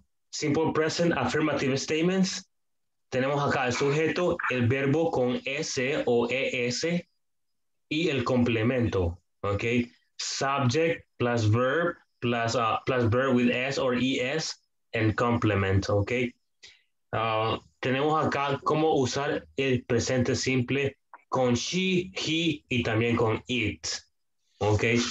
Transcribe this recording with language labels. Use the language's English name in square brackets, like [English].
[English] Simple present affirmative statements. [Spanish] Tenemos acá el sujeto, el verbo con S o ES y el complemento, ¿ok? [English] Subject plus verb plus verb with S or ES and complement, ok. [Spanish] Tenemos acá cómo usar el presente simple con she, he y también con it, ok.